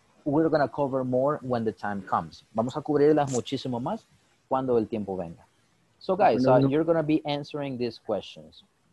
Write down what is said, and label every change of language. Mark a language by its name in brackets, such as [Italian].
[English] We're going to cover more when the time comes. [Spanish] Vamos a cubrirlas muchísimo más cuando el tiempo venga. [English] So, guys, you're going to be answering these questions.